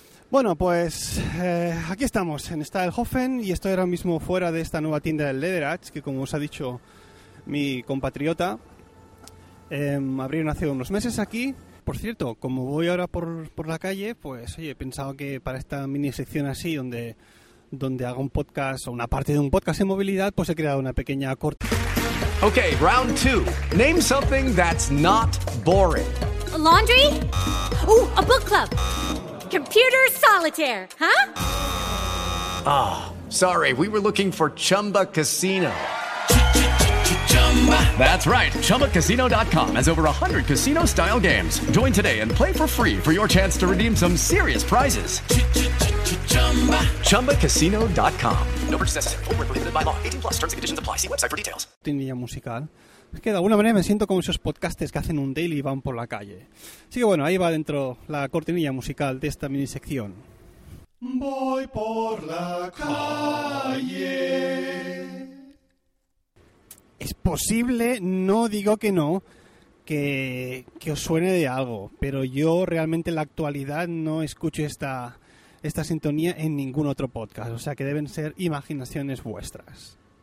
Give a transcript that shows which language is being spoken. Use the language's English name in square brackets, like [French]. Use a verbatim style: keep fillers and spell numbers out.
[Spanish] Bueno, pues eh, aquí estamos en Stadelhofen y estoy ahora mismo fuera de esta nueva tienda del Lederach, que como os ha dicho mi compatriota, eh, abrieron hace unos meses aquí. Por cierto, como voy ahora por, por la calle, pues oye, he pensado que para esta mini sección así, donde, donde hago un podcast o una parte de un podcast en movilidad, pues he creado una pequeña corta. [English] Okay, round two. Name something that's not boring. A laundry? Ooh, a book club. Computer solitaire, huh? Ah, oh, sorry. We were looking for Chumba Casino. That's right. Chumba Casino dot com has over one hundred casino-style games. Join today and play for free for your chance to redeem some serious prizes. Chumba Casino dot com. No purchase necessary. Void where prohibited by law. eighteen plus. Terms and conditions apply. See website for details. [Spanish] Tenía musical. Es que de alguna manera me siento como esos podcasters que hacen un daily y van por la calle. Así que bueno, ahí va dentro la cortinilla musical de esta minisección. Voy por la calle. Es posible, no digo que no, que, que os suene de algo, pero yo realmente en la actualidad no escucho esta, esta sintonía en ningún otro podcast, o sea que deben ser imaginaciones vuestras.